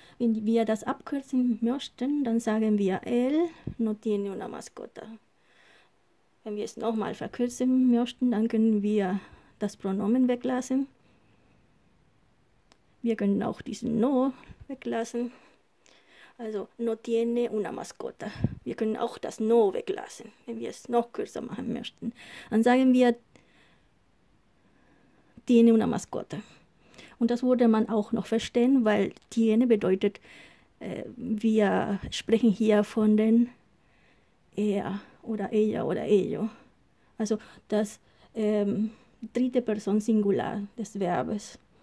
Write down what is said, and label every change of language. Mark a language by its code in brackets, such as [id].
[de] Wenn wir das abkürzen möchten, dann sagen wir, [es] él no tiene una mascota. [de] Wenn wir es nochmal verkürzen möchten, dann können wir das Pronomen weglassen. Wir können auch diesen no weglassen. Also, [es] no tiene una mascota. [de] Wir können auch das no weglassen, wenn wir es noch kürzer machen möchten. Dann sagen wir, [es] tiene una mascota. [de] Und das würde man auch noch verstehen, weil tiene bedeutet, wir sprechen hier von den er oder ella oder ello. Also das dritte Person Singular des Verbes.